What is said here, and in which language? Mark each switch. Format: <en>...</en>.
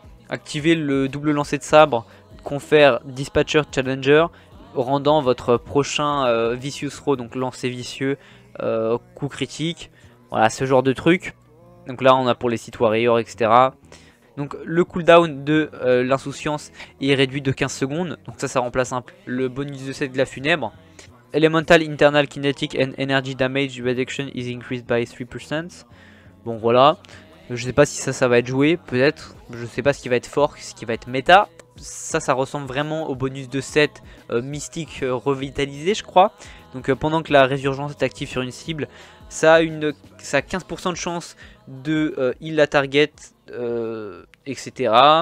<fr>Activer le double lancer de sabre, confère Dispatcher Challenger, rendant votre prochain Vicious Throw, donc lancer vicieux, coup critique. Voilà, ce genre de truc. Donc là, on a pour les sites Warrior, etc. Donc le cooldown de l'insouciance est réduit de 15 secondes. Donc ça remplace le bonus de set de la funèbre.</fr> <en>Elemental Internal Kinetic and Energy Damage Reduction is increased by 3%.</en> <fr>Bon voilà, je sais pas si ça va être joué, peut-être. Je sais pas ce qui va être fort, ce qui va être méta. Ça ressemble vraiment au bonus de set mystique revitalisé, je crois. Donc pendant que la résurgence est active sur une cible, ça a 15% de chance de heal la target, etc.</fr>